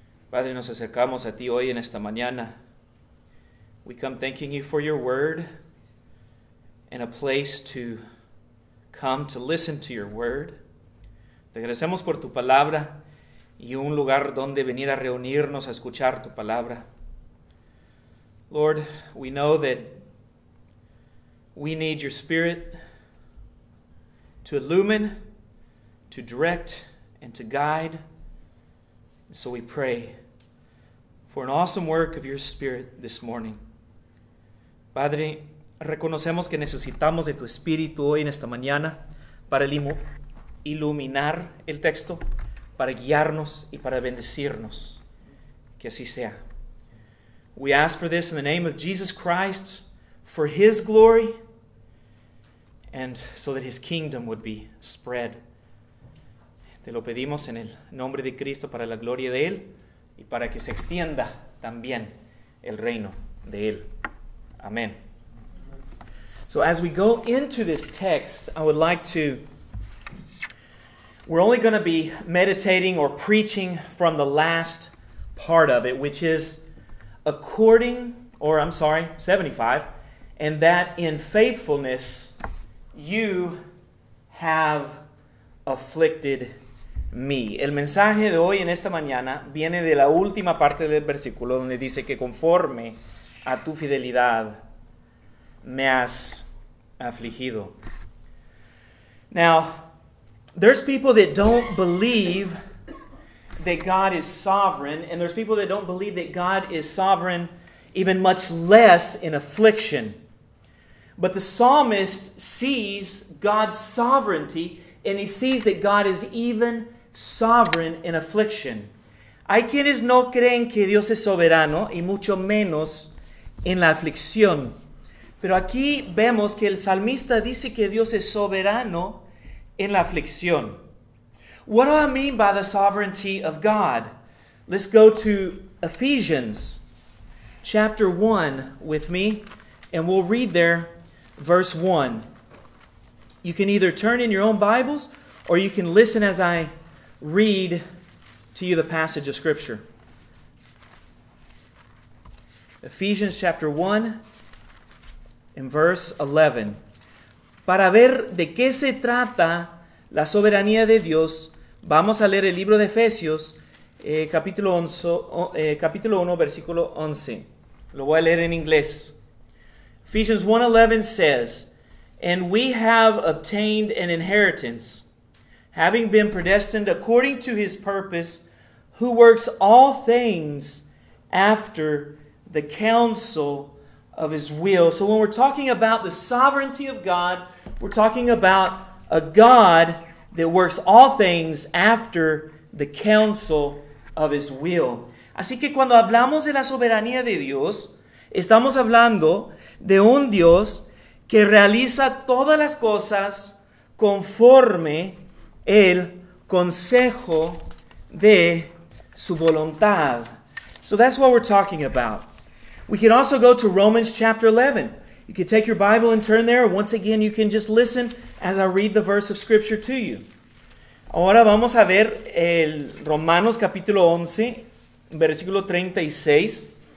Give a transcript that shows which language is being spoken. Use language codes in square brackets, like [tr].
[es] Padre, nos acercamos a ti hoy en esta mañana. [en] We come thanking you for your word and a place to come to listen to your word. [es] Te agradecemos por tu palabra y un lugar donde venir a reunirnos a escuchar tu palabra. [en] Lord, we know that we need your spirit to illumine, to direct, and to guide. So we pray for an awesome work of your spirit this morning. [es] Padre, reconocemos que necesitamos de tu espíritu hoy en esta mañana para iluminar el texto, para guiarnos y para bendecirnos. Que así sea. [en] We ask for this in the name of Jesus Christ, for his glory, and so that his kingdom would be spread. [es] Te lo pedimos en el nombre de Cristo para la gloria de él y para que se extienda también el reino de él. Amén. [en] So as we go into this text, I would like to, we're only going to be meditating or preaching from the last part of it, which is 75, and that in faithfulness you have afflicted me. [es] El mensaje de hoy en esta mañana viene de la última parte del versículo donde dice que conforme a tu fidelidad me has afligido. [en] Now, there's people that don't believe that God is sovereign, and there's people that don't believe that God is sovereign, even much less in affliction. But the psalmist sees God's sovereignty, and he sees that God is even sovereign in affliction. [es] Hay quienes no creen que Dios es soberano, y mucho menos en la aflicción. Pero aquí vemos que el salmista dice que Dios es soberano en la aflicción. [en] What do I mean by the sovereignty of God? Let's go to Ephesians chapter 1 with me, and we'll read there. Verse 1. You can either turn in your own Bibles or you can listen as I read to you the passage of Scripture. Ephesians chapter 1 and verse 11. [es] Para ver de qué se trata la soberanía de Dios, vamos a leer el libro de Efesios, capítulo 1, versículo 11. Lo voy a leer en inglés. [en] Ephesians 1:11 says, "And we have obtained an inheritance, having been predestined according to his purpose, who works all things after the counsel of his will." So when we're talking about the sovereignty of God, we're talking about a God that works all things after the counsel of his will. [es] Así que cuando hablamos de la soberanía de Dios, estamos hablando de un Dios que realiza todas las cosas conforme el consejo de su voluntad. [en] So that's what we're talking about. We can also go to Romans chapter 11. You can take your Bible and turn there. Once again, you can just listen as I read the verse of Scripture to you. [es] Ahora vamos a ver el Romanos capítulo 11, versículo 36.